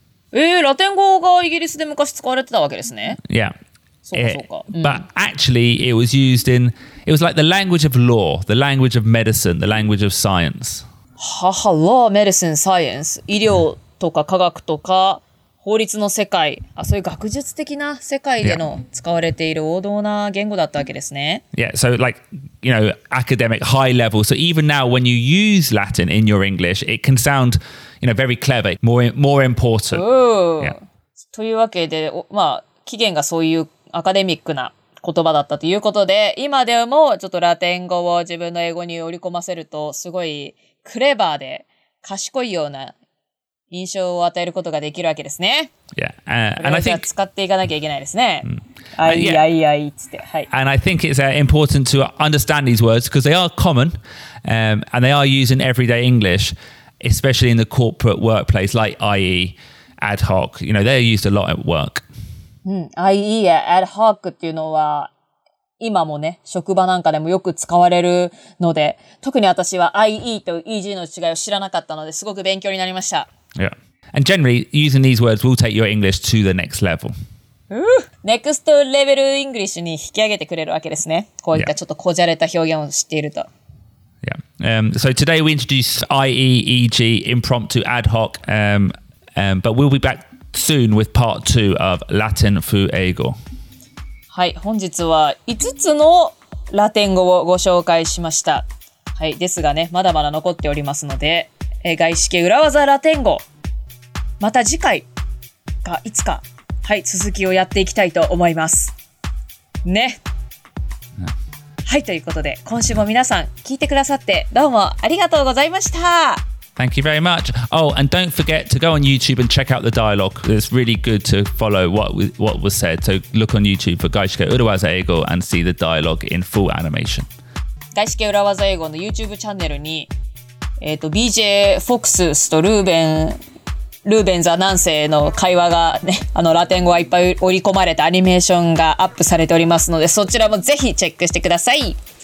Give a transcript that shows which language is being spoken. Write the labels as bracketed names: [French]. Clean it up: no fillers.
[Japanese] ラテン語がイギリスで昔使われてたわけですね。 [English] Yeah. [Japanese] そうか。 [English] But actually, it was like the language of law, the language of medicine, the language of science. ははは、law, medicine, science. [Japanese] 医療とか科学とか法律の世界、あ、そういう学術的な世界での使われている王道な言語だったわけですね。 [English] Yeah, so like, you know, academic high level. So even now when you use Latin in your English, it can sound, you know, very clever, more important. Yeah. [Japanese] というわけで、まあ、起源がそういうアカデミックな言葉だったということで、今でもちょっとラテン語を自分の英語に織り込ませると、すごいクレバーで賢いような印象を与えることができるわけですね。 [English] Yeah. And I think [Japanese] 使っていかなきゃいけないですね。 [English] And I think it's important to understand these words because they are common, and they are used in everyday English, especially in the corporate workplace, like IE, ad hoc. You know, they're used a lot at work. [Japanese] IE, ad hoc っていうのは今もね、職場なんかでもよく使われるので、特に私は IE と EG の違いを知らなかったので、すごく勉強になりました。 [English] Yeah. And generally, using these words will take your English to the next level. Next level English [Japanese] に引き上げてくれるわけですね。こういったちょっとこじゃれた表現を知っていると。 [English] Yeah. So today we introduce IE, EG, impromptu, ad hoc, but we'll be back soon with part two of Latin Fu Ego. [Japanese] はい、本日は5つのラテン語をご紹介しました。はい、ですがね、まだまだ残っておりますので、外資系裏技ラテン語、また次回かいつか、はい、続きをやっていきたいと思います。ね。はい、ということで、今週も皆さん聞いてくださってどうもありがとうございました。 [English] Thank you very much. Oh, and don't forget to go on YouTube and check out the dialogue. It's really good to follow what was said. So look on YouTube for 外資系裏技英語 and see the dialogue in full animation. [Japanese] 外資系裏技英語の YouTube チャンネルに、BJ Fox とルーベンズアナンセの会話がね、あのラテン語がいっぱい織り込まれたアニメーションがアップされておりますので、そちらもぜひチェックしてください。